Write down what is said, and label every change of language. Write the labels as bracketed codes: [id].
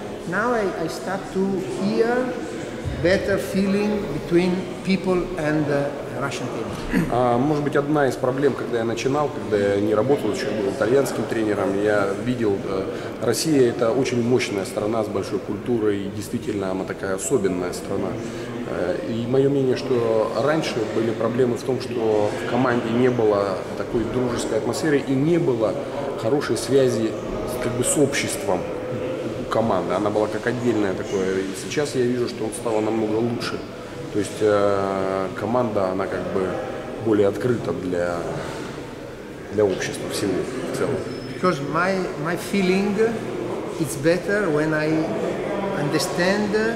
[en] Now I start to hear better feeling between people and Russian team. [ru] Может быть, одна из проблем, когда я начинал, когда я не работал, еще был итальянским тренером, я видел, Россия – это очень мощная страна с большой культурой, и действительно она такая особенная страна. И мое мнение, что раньше были проблемы в том, что в команде не было такой дружеской атмосферы и не было хорошей связи как бы с обществом команды. Она была как отдельная такое. И сейчас я вижу, что он стал намного лучше. То есть команда, она как бы более открыта для общества всего в целом. [en] Because my feeling is better when I understand.